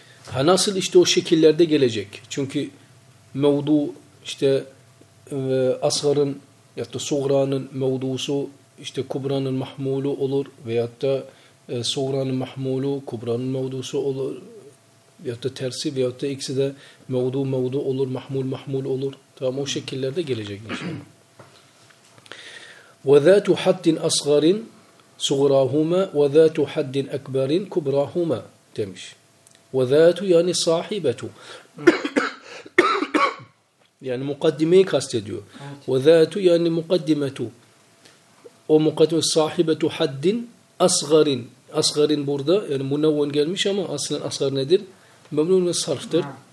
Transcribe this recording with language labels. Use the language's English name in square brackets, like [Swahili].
[Turkish] Ha, nasıl işte o şekillerde gelecek? Çünkü mevdu işte asgarın ya da suğranın mevdusu işte kubranın mahmulu olur veyahut da suğranın mahmulu kubranın mevdusu olur. Veyahut da tersi veyahut da ikisi de mevdu mevdu olur, mahmul mahmul olur. Tamam, o şekillerde gelecek inşallah. [Arabic] وَذَاتُ حَدٍ أَصْغَرٍ سُغْرَاهُمَا وَذَاتُ حَدٍ أَكْبَرٍ كُبْرَاهُمَا [Turkish] demiş. وَذَاتُ yani sahibetu. Yani mukaddimeyi kastediyor. Evet. وَذَاتُ yani mukaddimetu. O mukaddime sahibetu [Arabic] حَدٍ أَصْغَرٍ. [Turkish] Asgarin burada, yani münevven gelmiş ama aslen asgar nedir? Memnun ve sarftır.